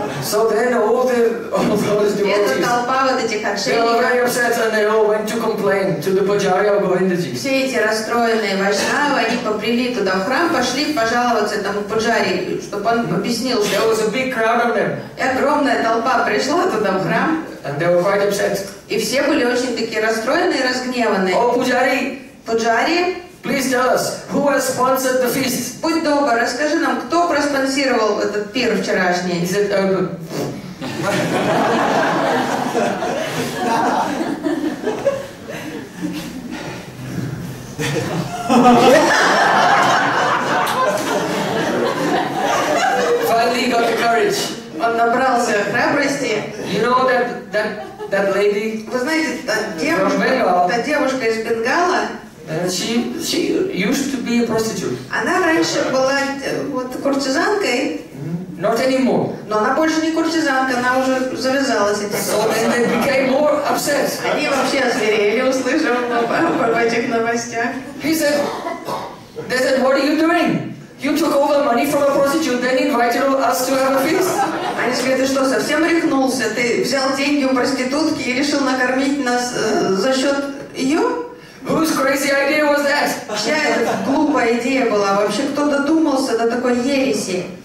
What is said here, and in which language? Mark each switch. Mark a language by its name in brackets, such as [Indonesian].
[English] So then all those devotees, [Russian] все эти расстроенные вайшнавы, они поприли туда в храм, пошли пожаловаться этому пуджари, чтобы он объяснил. [English] There was a big crowd of them. [Russian] И огромная толпа пришла туда в храм. [English] And they were quite upset. [Russian] И все были очень такие расстроенные и разгневанные. О, пуджари! Пуджари, [English] please tell us who has sponsored the feast. [Russian] Будь добр, расскажи нам, кто проспонсировал этот пир вчерашний. [English] Is it urban? Finally got the courage. [Russian] Он набрался храбрости. [English] You know that lady? [Russian] Вы знаете, та девушка из Бенгала? [English] She used to be a prostitute. [Russian] Она раньше была вот куртизанкой. [English] Not anymore. [Russian] Но она больше не куртизанка, она уже завязалась этим. [English] So then they became more upset. [Russian] Они вообще озверели, услышав об этих новостях. [English] He said, they said, what are you doing? You took all the money from a prostitute, then invited us to have a feast. [Russian] Они сказали, ты что, совсем рехнулся? Ты взял деньги у проститутки и решил накормить нас за счет ее? [English] Whose crazy idea was that? [Russian] Чья это глупая идея была? Вообще кто додумался до такой ереси?